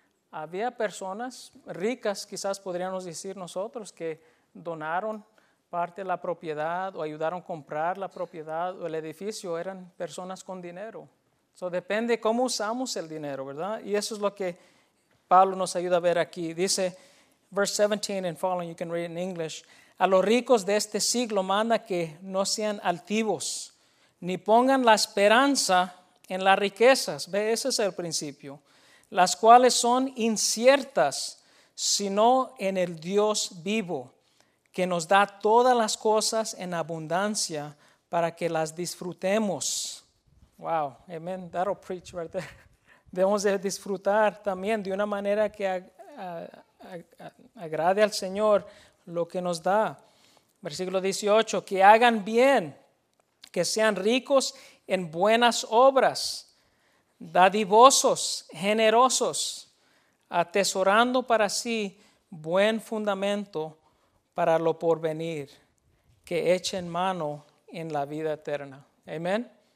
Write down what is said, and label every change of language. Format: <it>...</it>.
<es>Había personas ricas, quizás podríamos decir nosotros, que donaron parte de la propiedad o ayudaron a comprar la propiedad o el edificio. Eran personas con dinero. So, depende cómo usamos el dinero, ¿verdad? Y eso es lo que Pablo nos ayuda a ver aquí.</es> <en>Dice, verse 17 and following, you can read in English.</en> <es>A los ricos de este siglo manda que no sean altivos, ni pongan la esperanza en las riquezas. Ve, ese es el principio. Las cuales son inciertas, sino en el Dios vivo, que nos da todas las cosas en abundancia para que las disfrutemos.</es> <en>Wow, amen, that'll preach right there.</en> <es>Debemos de disfrutar también de una manera que agrade al Señor lo que nos da. Versículo 18, que hagan bien, que sean ricos en buenas obras, dadivosos, generosos, atesorando para sí buen fundamento para lo porvenir, que echen mano en la vida eterna. Amén.</es>